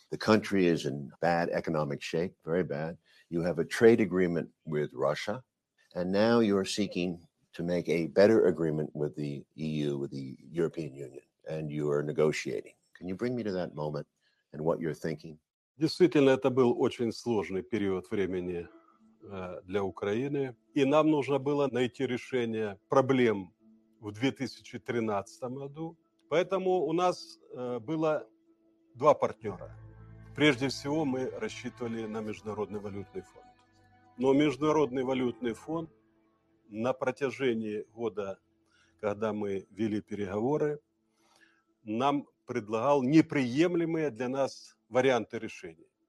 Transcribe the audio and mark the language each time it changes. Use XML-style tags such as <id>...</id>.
<en>The country is in bad economic shape, very bad. You have a trade agreement with Russia, and now you're seeking to make a better agreement with the EU, with the European Union, and you are negotiating. Can you bring me to that moment and what you're thinking?</en> <ru>Действительно,</ru> <uk>це був дуже складний період часу для України, і нам потрібно було знайти рішення проблем в 2013</uk> <ru>году. Поэтому у нас было два партнера. Прежде всего, мы рассчитывали на Международный валютный фонд. Но Международный валютный фонд на протяжении года, когда мы вели переговоры, нам предлагал неприемлемые для нас варианты решения.</ru>